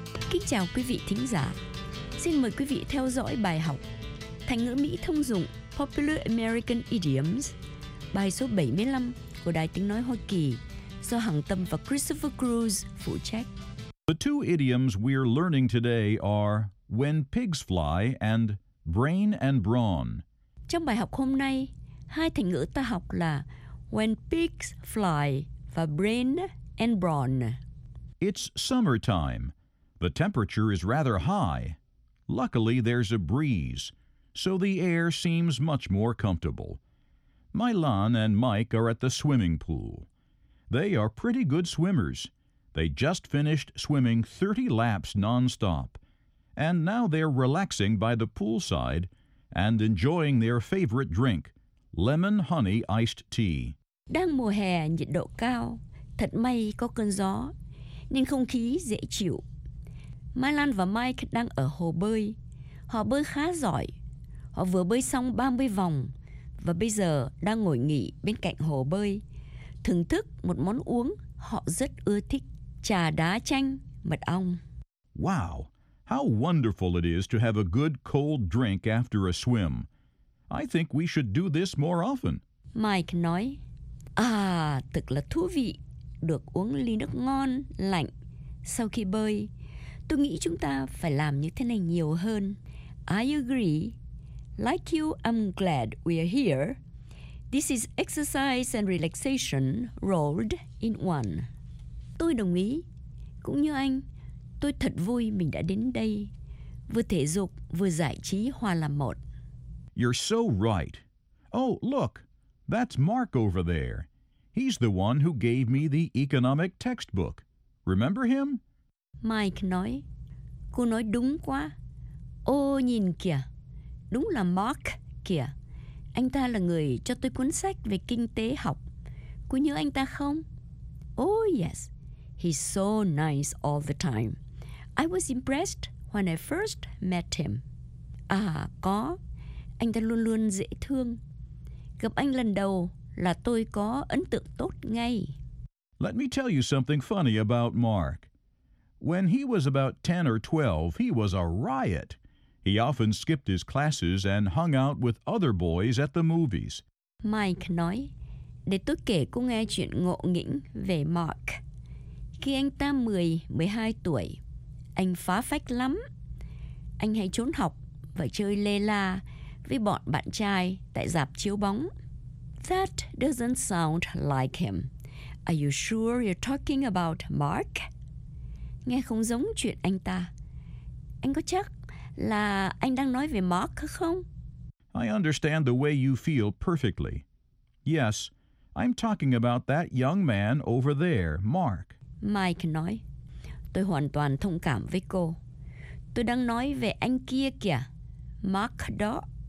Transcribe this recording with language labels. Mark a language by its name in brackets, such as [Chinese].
[Vietnamese] Kính chào quý vị thính giả. Xin mời quý vị theo dõi bài học Thành ngữ Mỹ thông dụng [English] Popular American Idioms, [Vietnamese] bài số 75 của Đài Tiếng Nói Hoa Kỳ, do Hằng Tâm và Christopher Cruz phụ trách. [English] The two idioms we're learning today are when pigs fly and brain and brawn. [Vietnamese] Trong bài học hôm nay, hai thành ngữ ta học là [English] when pigs fly [Vietnamese] và [English] brain and brawn. It's summertime. The temperature is rather high. Luckily, there's a breeze, so the air seems much more comfortable. Mylan and Mike are at the swimming pool. They are pretty good swimmers. They just finished swimming 30 laps nonstop, and now they're relaxing by the poolside and enjoying their favorite drink, lemon honey iced tea. [Vietnamese] Đang mùa hè, nhiệt độ cao. Thật may có cơn gió, nên không khí dễ chịu. Mylan và Mike đang ở hồ bơi. Họ bơi khá giỏi. Họ vừa bơi xong 30 vòng và bây giờ đang ngồi nghỉ bên cạnh hồ bơi, thưởng thức một món uống họ rất ưa thích, trà đá chanh mật ong. [English] Wow, how wonderful it is to have a good cold drink after a swim. I think we should do this more often. [Vietnamese] Mike nói, à, thật là thú vị được uống ly nước ngon, lạnh sau khi bơi. Tôi nghĩ chúng ta phải làm như thế này nhiều hơn. [English] I agree. Like you, I'm glad we are here. This is exercise and relaxation rolled in one. [Vietnamese] Tôi đồng ý. Cũng như anh, tôi thật vui mình đã đến đây. Vừa thể dục, vừa giải trí hòa làm một. [English] You're so right. Oh, look. That's Mark over there. He's the one who gave me the economic textbook. Remember him? [Vietnamese] Mike nói, cô nói đúng quá. Ô nhìn kìa, đúng là Mark kìa. Anh ta là người cho tôi cuốn sách về kinh tế học. Cô nhớ anh ta không? [English] Oh yes, he's so nice all the time. I was impressed when I first met him. [Vietnamese] À có, anh ta luôn luôn dễ thương. Gặp anh lần đầu là tôi có ấn tượng tốt ngay. [English] Let me tell you something funny about Mark. When he was about 10 or 12, he was a riot. He often skipped his classes and hung out with other boys at the movies. [Vietnamese] Mike nói, để tôi kể cô nghe chuyện ngộ nghĩnh về Mark. Khi anh ta 10, 12 tuổi, anh phá phách lắm. Anh hay trốn học và chơi lê la với bọn bạn trai tại rạp chiếu bóng. [English] That doesn't sound like him. Are you sure you're talking about Mark? [Vietnamese] Nghe không giống chuyện anh ta. Anh có chắc là anh đang nói về Mark không? [English] I understand the way you feel perfectly. Yes, I'm talking about that young man over there, Mark. [Vietnamese] Mike nói, tôi hoàn toàn thông cảm với cô. Tôi đang nói về anh kia kìa, Mark đó.